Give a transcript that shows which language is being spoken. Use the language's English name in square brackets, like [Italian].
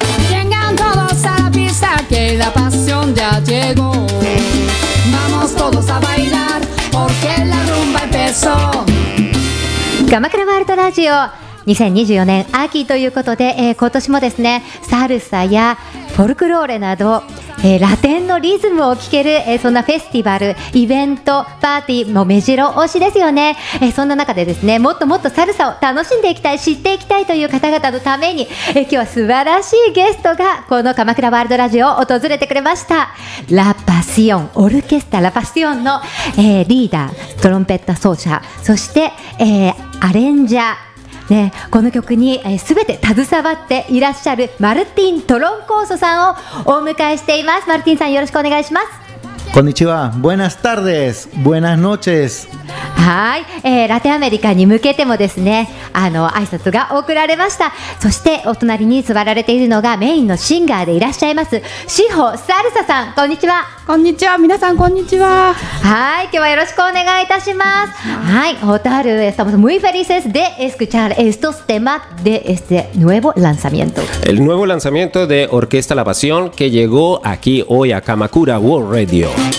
[Spanish] Vengan todos a la pista que la pasión ya llegó. Vamos todos a bailar porque la rumba empezó. [Japanese] ガマクラワールドラジオ2024年秋ということで、今年もですねサルサやフォルクローレなど、ラテンのリズムを聴ける、そんなフェスティバル、イベント、パーティーも目白押しですよね。そんな中でですねもっともっとサルサを楽しんでいきたい、知っていきたいという方々のために、今日は素晴らしいゲストがこの鎌倉ワールドラジオを訪れてくれました。ラパシオン、オルケスタラパシオンの、リーダー、トロンペット奏者、そして、アレンジャーね、この曲に、全て携わっていらっしゃるマルティン・トロンコーソさんをお迎えしています。マルティンさんよろしくお願いします。こんにちは、 [Spanish] buenas tardes、 buenas noches。 [Japanese] はい、ラテンアメリカに向けてもですね挨拶が送られました。そしてお隣に座られているのがメインのシンガーでいらっしゃいますシホ・サルサさん、こんにちは。こんにちは、皆さんこんにちは。はい、今日はよろしくお願いいたします。はい、ホタル、 [Spanish] estamos muy felices de escuchar estos temas de este nuevo lanzamiento。 El nuevo lanzamiento de Orquesta La Pasión que llegó aquí hoy a Kamakura World Radio。